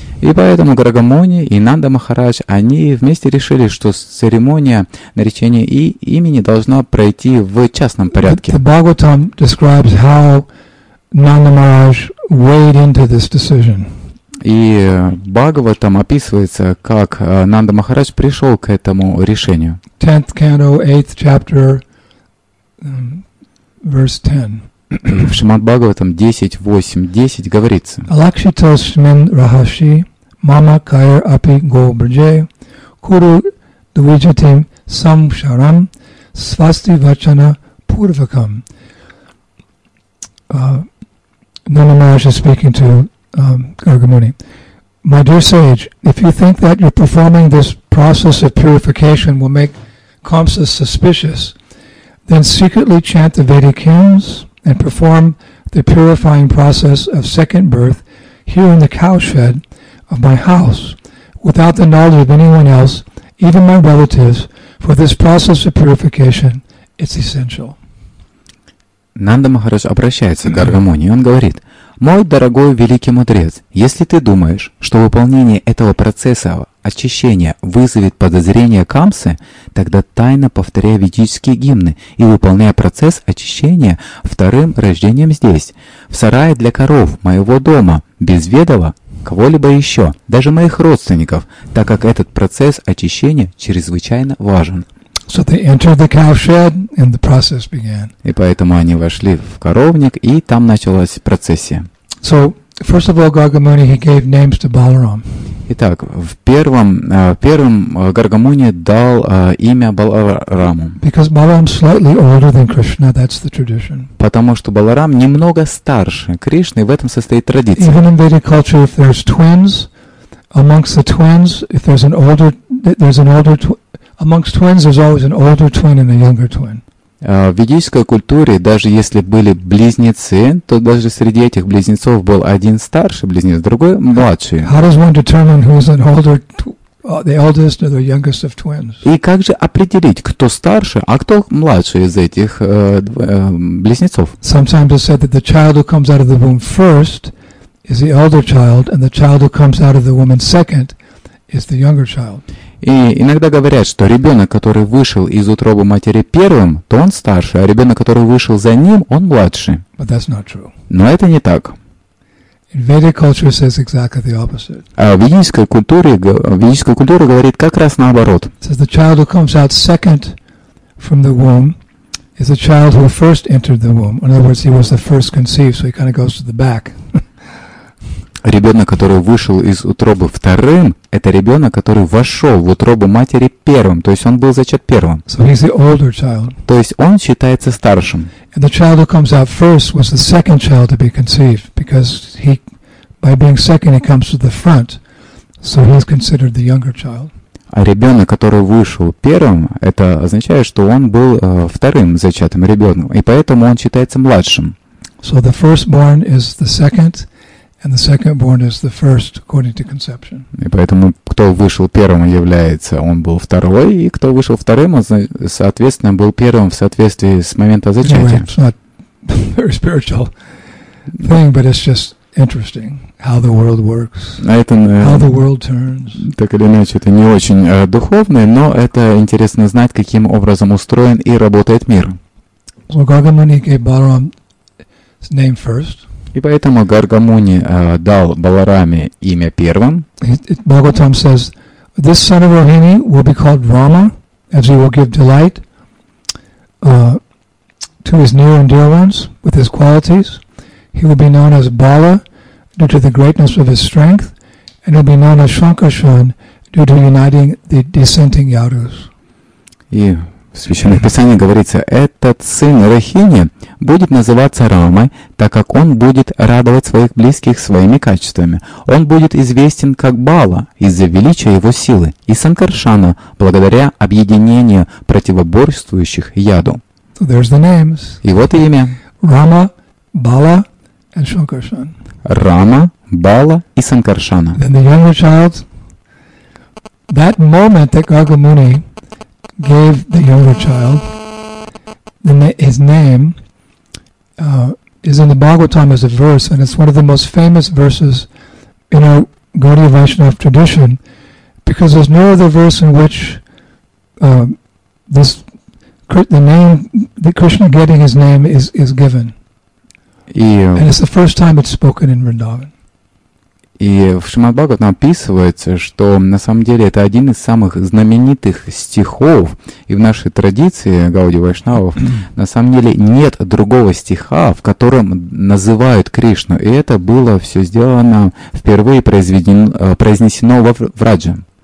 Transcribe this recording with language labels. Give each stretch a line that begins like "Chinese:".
Russian: И поэтому Гарагамуни и Нанда Махарадж, они вместе решили, что церемония наречения и имени должна пройти в частном порядке.
English: The Bhagavatam describes how Nanda Maharaj weighed into this decision.
Russian: И Бхагаватам описывается, как Нанда Махарадж пришел к этому решению.
English: 10th canto, 8th chapter, verse 10.
Russian: В Шримад-Бхагаватам 10.8.10 говорится:
Sanskrit: «Алакшитасмин рахаши, мама кайр апи го бриджэ, куру двиджатим сам шарам, свасти вачана пурвакам».
English: Нанда Махарадж is speaking to Гаргамуни. «My dear sage, if you think that you're performing this process of purification will make Kamsa suspicious, then secretly chant the Vedic hymns and perform the purifying process of second birth here in the cowshed of my house, without the knowledge of anyone else, even my relatives, for this process of purification, it's essential.
Russian: Нанда Махарадж обращается к Гаргамуни, и он говорит: «Мой дорогой великий мудрец, если ты думаешь, что выполнение этого процесса очищения вызовет подозрение Камсы, тогда тайно повторяй ведические гимны и выполняй процесс очищения вторым рождением здесь, в сарае для коров моего дома, без ведома кого-либо еще, даже моих родственников, так как этот процесс очищения чрезвычайно важен».
English: So they entered the cowshed, and the process began.
Russian: И поэтому они вошли в коровник, и там началась процессия.
English: So, first of all, Gargamuni, he gave names to Balaram.
Russian: Итак, в первом Гаргамуни дал имя Балараму.
English: Because Balaram is slightly older than Krishna, that's the tradition.
Russian: Потому что Баларам немного старше Кришны, в этом состоит традиция.
English: Even in Vedic culture, if there's twins, amongst the twins, if there's an older, there's an older Amongst twins, there's always an older twin and a younger twin.
Russian: В ведической культуре, даже если были близнецы, то даже среди этих близнецов был один старший близнец, другой младший.
English: How does one determine who's an older, the eldest or the youngest of twins?
Russian: И как же определить, кто старше, а кто младше из этих близнецов?
English: Sometimes it's said that the child who comes out of the womb first is the elder child, and the child who comes out of the woman second is the younger child.
Russian: И иногда говорят, что ребенок, который вышел из утробы матери первым, то он старше, а ребенок, который вышел за ним, он младше.
English: But that's not true.
Russian: Но это не так.
English: In Vedic culture says exactly the opposite.
Russian: А в ведической культуре говорит как раз наоборот.
English: Says the child who comes out second from the womb is the child who first entered the womb. In other words, he was the first conceived, so he kind of goes to the back.
Russian: Ребенок, который вышел из утробы вторым, это ребенок, который вошел в утробу матери первым, то есть он был зачат первым.
English: So he's the older child.
Russian: То есть он считается старшим.
English: And the child who comes out first was the second child to be conceived, because he, by being second, he comes to the front, so he's considered the younger child.
Russian: А ребенок, который вышел первым, это означает, что он был вторым зачатым ребенком, и поэтому он считается младшим.
English: So the firstborn is the second. And the second born is the first, according to conception.
Russian: И поэтому, кто вышел первым, является, он был второй, и кто вышел вторым, он, соответственно, был первым в соответствии с момента зачатия.
English: Anyway, it's not very spiritual thing, but it's just interesting how the world works, how the world turns.
Russian: Так или иначе, это не очень духовное, но это интересно знать, каким образом устроен и работает мир.
English: So Gargamuni gave Balaram's name first.
Russian: И поэтому Гаргамуни дал Балараме имя первым.
English: Бхагаватам says, this son of Rohini will be called Rama, as he will give delight to his near and dear ones with his qualities. He will be known as Bala due to the greatness of his strength, and he'll be known as Shankarshan due to uniting the dissenting Yadus.
Russian: В Священном Писании говорится, этот сын Рахини будет называться Рамой, так как он будет радовать своих близких своими качествами. Он будет известен как Бала из-за величия его силы и Санкаршана благодаря объединению противоборствующих яду.
English: So there's the names.
Russian: И вот имя.
English: Рама, Бала and Шанкаршан.
Russian: Рама, Бала и Санкаршана.
English: Then the younger child, that moment that Gargamuni gave the younger child his name, is in the Bhagavatam as a verse, and it's one of the most famous verses in our Gaudiya Vaishnava tradition, because there's no other verse in which the name that Krishna getting his name is given. And it's the first time it's spoken in Vrindavan.
Russian: И в Шримад-Бхагаватам описывается, что на самом деле это один из самых знаменитых стихов. И в нашей традиции Гауди Вайшнавов на самом деле нет другого стиха, в котором называют Кришну. И это было все сделано впервые, произнесено во Врадже.